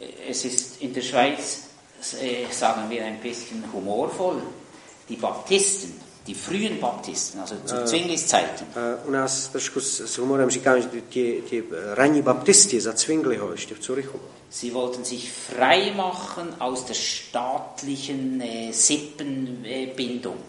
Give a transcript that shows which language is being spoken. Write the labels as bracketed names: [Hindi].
[German] Es ist in der Schweiz, sagen wir ein bisschen humorvoll, die Baptisten, die frühen Baptisten, also zu Zwinglis Zeiten. [Czech] U nás trošku s humorem říkám, že ti ranní baptisti za Zwingliho, ještě v Zürichu. [German] Sie wollten sich frei machen aus der staatlichen Sippenbindung.